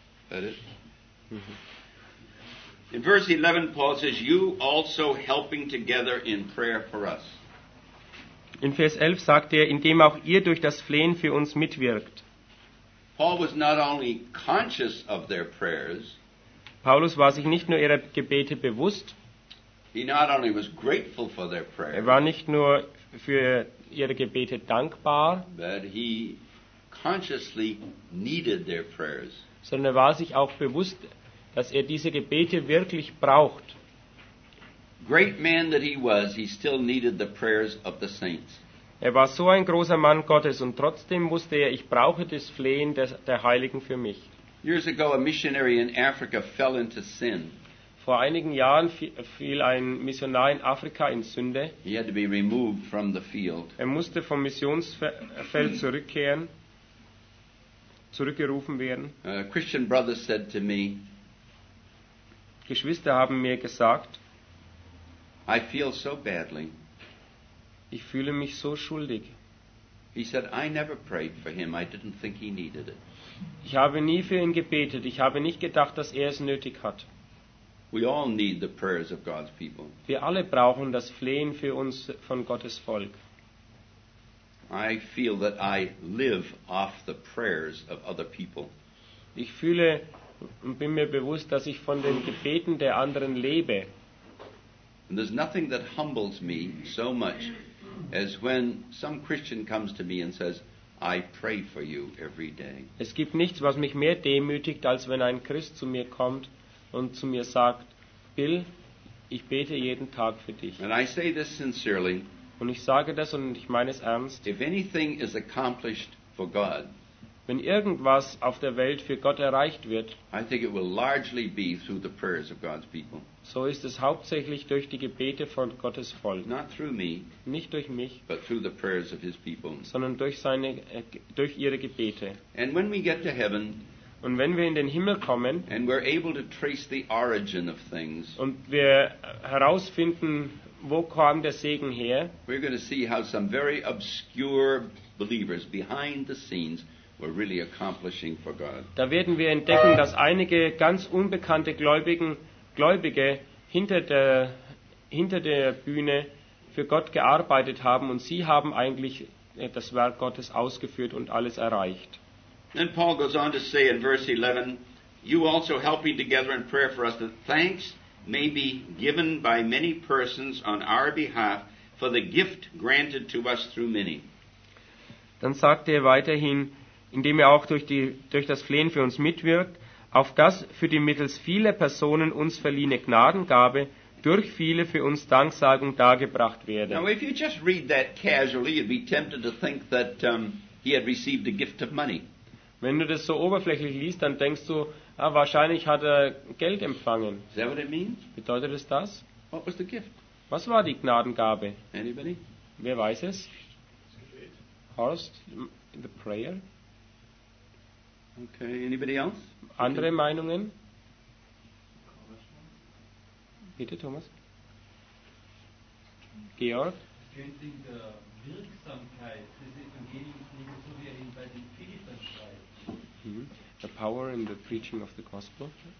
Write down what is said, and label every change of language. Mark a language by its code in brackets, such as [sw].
[en] That it? In verse 11, Paul says, "You also helping together in prayer for us." [de] In Vers 11 sagt er, indem auch ihr durch das Flehen für uns mitwirkt. [en] Paul was not only conscious of their prayers. [de] Paulus war sich nicht nur ihrer Gebete bewusst. [en] He not only was grateful for their prayers. [de] Er war nicht nur für ihre Gebete dankbar. [en] But he consciously needed their prayers. [de] Sondern er war sich auch bewusst, dass er diese Gebete wirklich braucht. [en] Great man that he was, he still needed the prayers of the saints. [de] Er war so ein großer Mann Gottes und trotzdem wusste er, ich brauche das Flehen der Heiligen für mich. [en] Years ago, a missionary in Africa fell into sin. [de] Vor einigen Jahren fiel ein Missionar in Afrika in Sünde. [en] He had to be removed from the field. [de] Er musste vom Missionsfeld zurückkehren. Zurückgerufen werden. [en] Christian brothers said to me, [de] Geschwister haben mir gesagt, [en] I feel so badly. [de] Ich fühle mich so schuldig. [en] He said, I never prayed for him. I didn't think he needed it. [de] Ich habe nie für ihn gebetet. Ich habe nicht gedacht, dass er es nötig hat. [en] We all need the prayers of God's people. [de] Wir alle brauchen das Flehen für uns von Gottes Volk. [en] I feel that I live off the prayers of other people. [de] Ich fühle und bin mir bewusst, dass ich von den Gebeten der anderen lebe. [en] And there's nothing that humbles me so much as when some Christian comes to me and says, I pray for you every day. [de] Es gibt nichts, was mich mehr demütigt, als wenn ein Christ zu mir kommt und zu mir sagt, Bill, Ich bete jeden Tag für dich. [en] And I say this sincerely. [de] Und ich sage das und ich meine es ernst. [en] If anything is accomplished for God, [de] wenn irgendwas auf der Welt für Gott erreicht wird, [en] I think it will largely be through the prayers of God's people. [de] So ist es hauptsächlich durch die Gebete von Gottes Volk. [en] Not through me, [de] nicht durch mich, [en] but through the prayers of his people. [de] Sondern durch seine, durch ihre Gebete. [en] And when we get to heaven, [de] und wenn wir in den Himmel kommen, [en] and we're able to trace the origin of things, [de] und wir herausfinden, wo kam der Segen her, [en] we're going to see how some very obscure believers behind the scenes were really accomplishing for God. [de] Da werden wir entdecken, dass einige ganz unbekannte Gläubige hinter der Bühne für Gott gearbeitet haben und sie haben eigentlich das Werk Gottes ausgeführt und alles erreicht. [en] Then Paul goes on to say in verse 11, you also help me together in prayer for us that thanks may be given by many persons on our behalf for the gift granted to us through many. [de] Dann sagt er weiterhin, indem er auch durch das Flehen für uns mitwirkt, auf das für die mittels viele Personen uns verliehene Gnadengabe durch viele für uns Danksagung dargebracht werde. [en] Now if you just read that casually, you'd be tempted to think that he had received a gift of money. [de] Wenn du das so oberflächlich liest, dann denkst du, ah, wahrscheinlich hat er Geld empfangen. [en] Is that what it means? [de] Bedeutet es das? [en] What was the gift? [de] Was war die Gnadengabe? [en] Anybody? [de] Wer weiß es? Horst, [en] the prayer. Okay, anybody else? [de] Andere Meinungen? Bitte, Thomas. Georg? Könnten der Wirksamkeit des Evangeliums liegen, so wie er ihn bei den Philippern schreibt? Mm-hmm. [en] The power in the preaching of the gospel.